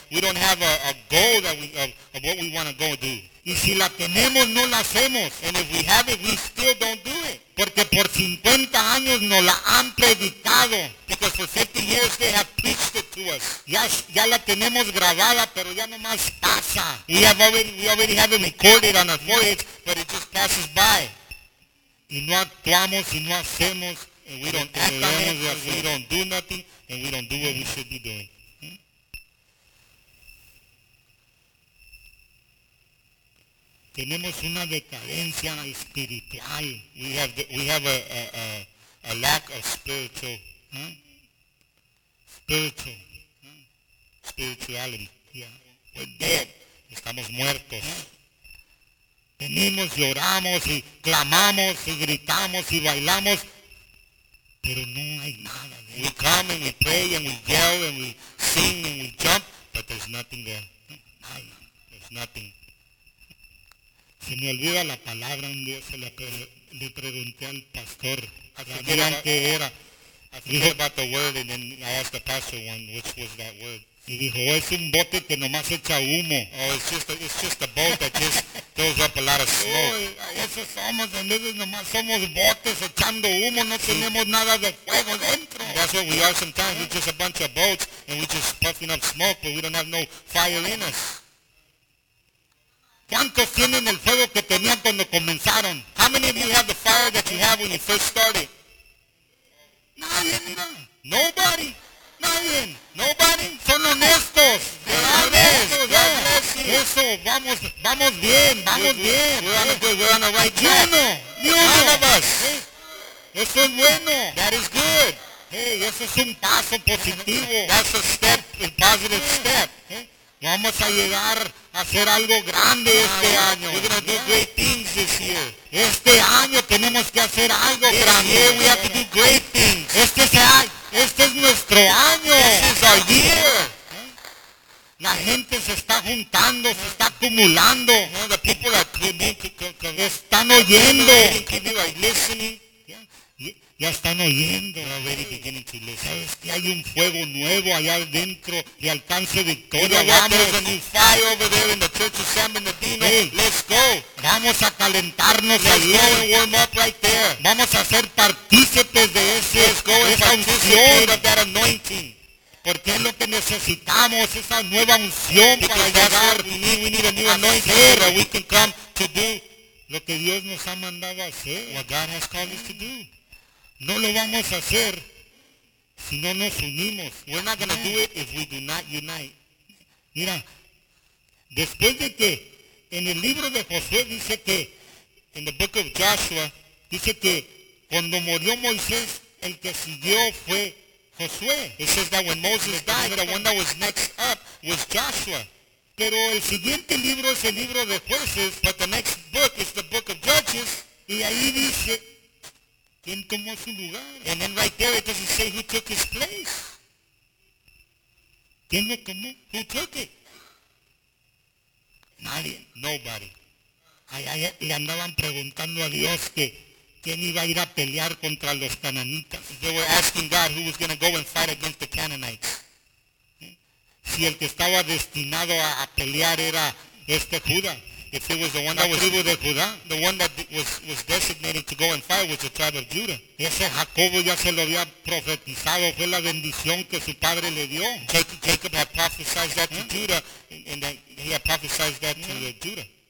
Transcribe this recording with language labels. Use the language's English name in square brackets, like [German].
[English] We don't have a goal that we of what we want to go do. [Spanish] Y si la tenemos, no la hacemos. [English] And if we have it, we still don't do it. [Spanish] Porque por 50 años nos la han predicado. [English] Because for 50 years they have preached it to us. [Spanish] Ya la tenemos grabada, pero ya nomás pasa. [English] We already have it recorded on our foreheads, but it just passes by. [Spanish] Y no actuamos y no hacemos. [English] And we don't act on it. We don't do nothing. And we don't do what we should be doing. [Spanish] Tenemos una decadencia espiritual. [English] We have a lack of spirituality. Yeah. We're dead. [Spanish] Estamos muertos. Venimos, lloramos y clamamos y gritamos y bailamos, pero no hay nada. [English] We come and we pray and we yell and we sing and we jump, but there's nothing there. There's nothing. [Spanish] Se me olvida la palabra, un día se le pregunté al pastor, ¿sabían qué era? [English] I forget about the word, and then I asked the pastor one, which was that word. [Spanish] Y dijo, es un bote que nomás echa humo. [English] Oh, it's just a boat that just throws up a lot of smoke. [Spanish] Uy, esos somos, en vez de nomás somos botes echando humo, no tenemos nada de fuego dentro. [English] And that's what we are sometimes, we're just a bunch of boats, and we're just puffing up smoke, but we don't have no fire in us. [Spanish] ¿Cuántos tienen el fuego que tenían cuando comenzaron? [English] How many of you have the fire that you have when you first started? [Spanish] Nadie, mira. [English] Nobody. [Spanish] Nadie. [English] Nobody. [Spanish] Son honestos. [English] They're honest. [Spanish] Eso, vamos bien, vamos bien. [English] We're on the right track. [Spanish] Ni uno. [English] None of us. [Spanish] Eso es bueno. [English] That is good. [Spanish] Hey, eso es un paso positivo. [English] That's a positive step. [Spanish] Vamos a llegar a hacer algo grande este año. [English] We're going to do great things this year. [Spanish] Este año tenemos que hacer algo grande. [English] Yeah, we have to do great things. [Spanish] Este es nuestro año. [English] This is our year. [Spanish] La gente se está juntando, se está acumulando. [English] The people are coming. [Spanish] Están oyendo. [English] They're listening. [Spanish] Ya están oyendo. [English] Already beginning to listen. [Spanish] ¿Sabes que hay un fuego nuevo allá adentro y alcance victoria? [English] There's a new fire over there in the church of San Bernardino. Hey, let's go. [Spanish] Vamos a calentarnos. [English] Let's go and warm up right there. [Spanish] Vamos a ser partícipes de ese. [English] Let's go and participate of that anointing. [Spanish] Porque es lo que necesitamos, esa nueva unción para llegar. [English] We need a new anointing so we can come to do [Spanish] lo que Dios nos ha mandado a hacer. [English] What God has called us to do. [Spanish] No lo vamos a hacer si no nos unimos. [English] We're not going to do it if we do not unite. [Spanish] Mira, después de que en el libro de Josué dice que [English] in the book of Joshua [Spanish] dice que cuando murió Moisés el que siguió fue Josué. [English] It says that when Moses died, the one that was next up was Joshua. [Spanish] Pero el siguiente libro es el libro de Jueces, [English] but the next book is the book of Judges. [Spanish] Y ahí dice, ¿quién tomó su lugar? [English] And then right there it doesn't say who took his place. [Spanish] ¿Quién lo tomó? [English] Who took it? [Spanish] Nadie. [English] Nobody. [Spanish] Allá le andaban preguntando a Dios que quién iba a ir a pelear contra los cananitas. [English] They were asking God who was going to go and fight against the Canaanites. [Spanish] Si el que estaba destinado a pelear era este Judá. [English] If it was the one that was [Spanish] de Judá, [English] the one that was designated to go and fight was the tribe of Judah. [Spanish] Ese Jacobo ya se lo había profetizado, fue la bendición que su padre le dio. [English] Jacob had prophesied that to Judah, and he had prophesied that to the Judah.